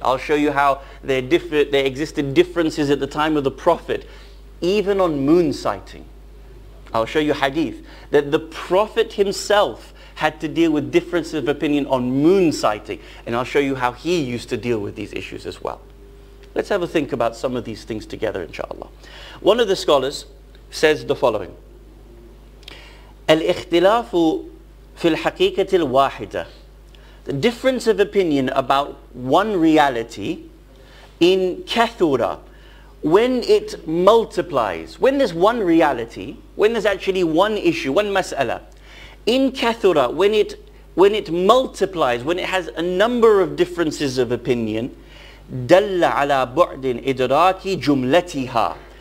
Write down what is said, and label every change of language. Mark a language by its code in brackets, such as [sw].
[en] I'll show you how there existed differences at the time of the Prophet, even on moon sighting. I'll show you hadith, that the Prophet himself had to deal with differences of opinion on moon sighting, and I'll show you how he used to deal with these issues as well. Let's have a think about some of these things together inshallah. One of the scholars says the following: [ar] الاختلاف في الحقيقة الواحدة. [en] The difference of opinion about one reality in كثرة, when it multiplies, when there's one reality, when there's actually one issue, one مسألة, in كثرة, when it multiplies, when it has a number of differences of opinion, [ar] دل على بعد إدراك جملتها.